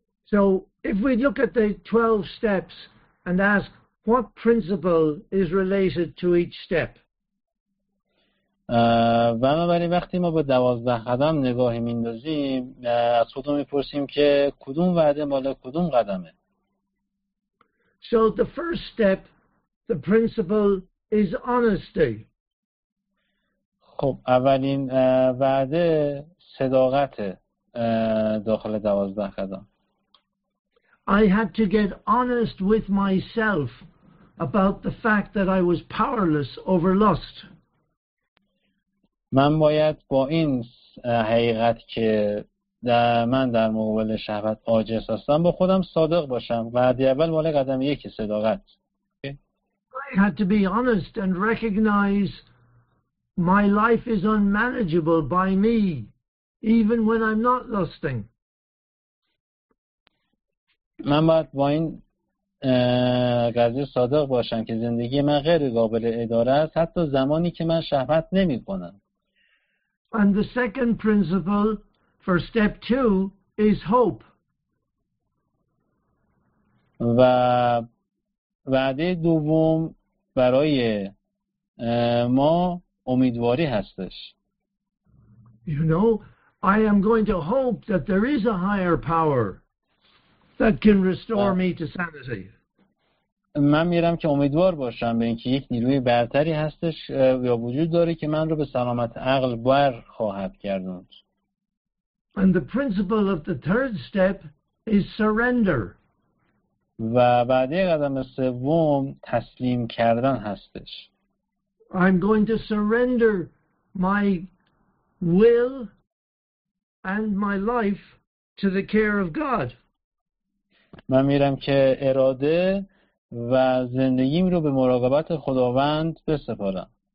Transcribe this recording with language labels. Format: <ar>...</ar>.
<en>So if we look at the 12 steps and ask what principle is related to each step.</en> <fa>بنابراین وقتی ما به 12 قدم نگاهی میندازیم از خودمون میپرسیم که کدوم وعده مال کدوم قدمه.</fa> <en>So the first step, the principle is honesty.</en> <fa>خب اولین وعده صداقت داخل 12 قدم.</fa> <en>I had to get honest with myself about the fact that I was powerless over lust.</en> <fa>من باید با این حقیقت که در من در مقابل شهوت عاجز هستم با خودم صادق باشم. وعده اول مال قدم یک صداقت.</fa> <en>I had to be honest and recognize My life is unmanageable by me, even when I'm not lusting.</en> <fa>من باید با این قضیه صادق باشم که زندگی من غیر قابل اداره است حتی زمانی که من شهوت نمی کنم.</fa> <en>And the second principle for step two is hope.</en> <fa>و وعده دوم برای ما امیدواری هستش.</fa> <en>You know, I am going to hope that there is a higher power that can restore me to sanity.</en> <fa>من میرم که امیدوار باشم به اینکه یک نیروی برتری هستش یا وجود داره که من رو به سلامت عقل بر خواهد گردوند.</fa> <en>And the principle of the third step is surrender.</en> <fa>و بعدی قدم سوم تسلیم کردن هستش.</fa> <en>I'm going to surrender my will and my life to the care of God.</en> <fa>من میرم که اراده و زندگیم رو به مراقبت خداوند بسپارم.</fa>